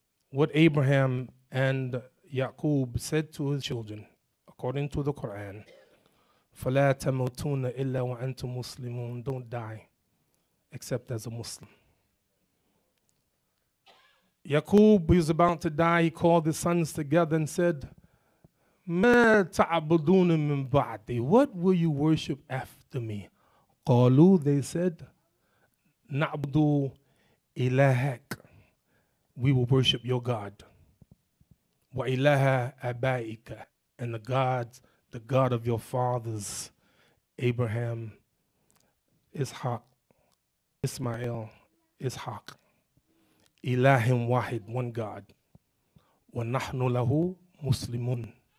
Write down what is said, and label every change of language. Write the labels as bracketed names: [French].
[English] What Abraham and Yaqub said to his children, according to the Quran, [Arabic] فَلَا تَمُوتُونَ إِلَّا وَأَنْتُمْ مُسْلِمُونَ. [English] Don't die except as a Muslim. Yaqub, he was about to die. He called his sons together and said, [Arabic] مَا تَعْبُدُونَ مِنْ بَعْدِي. [English] What will you worship after me? [Arabic] قَالُوا, [English] they said, [Arabic] نَعْبُدُ إِلَهَكَ. [English] We will worship your God. [Arabic] وَإِلَهَ أَبَائِكَ. [English] And the God of your fathers, Abraham, Ishaq, Ismail, Ishaq. [Arabic] إِلَهِمْ وَاحِدْ. [English] One God. [Arabic] وَنَحْنُ لَهُ مُسْلِمُونَ.